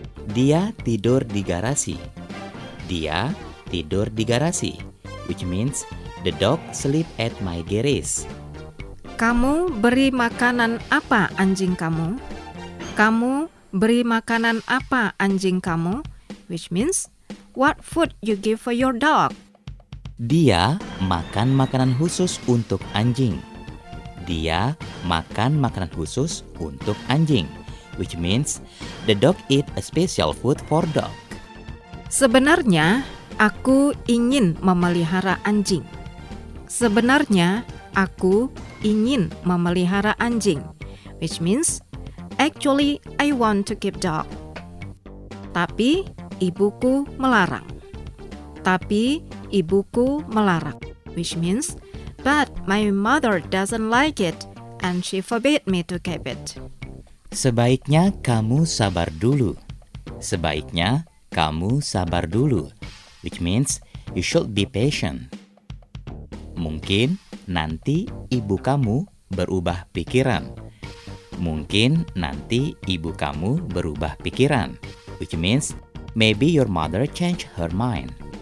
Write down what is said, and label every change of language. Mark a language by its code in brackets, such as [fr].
[id] Dia tidur di garasi. Dia tidur di garasi, [en] which means the dog sleep at my garage. [id] Kamu beri makanan apa anjing kamu? Kamu beri makanan apa anjing kamu? [en] Which means what food you give for your dog? [id] Dia makan makanan khusus untuk anjing. Dia makan makanan khusus untuk anjing. [en] Which means, the dog eat a special food for dog. [id] Sebenarnya, aku ingin memelihara anjing. Sebenarnya, aku ingin memelihara anjing. [en] Which means, actually, I want to keep dog. [id] Tapi, ibuku melarang. Tapi, ibuku melarang. [en] Which means, but my mother doesn't like it and she forbid me to keep it. [id] Sebaiknya kamu sabar dulu. Sebaiknya kamu sabar dulu. [en] Which means you should be patient. [id] Mungkin nanti ibu kamu berubah pikiran. Mungkin nanti ibu kamu berubah pikiran. [en] Which means maybe your mother change her mind.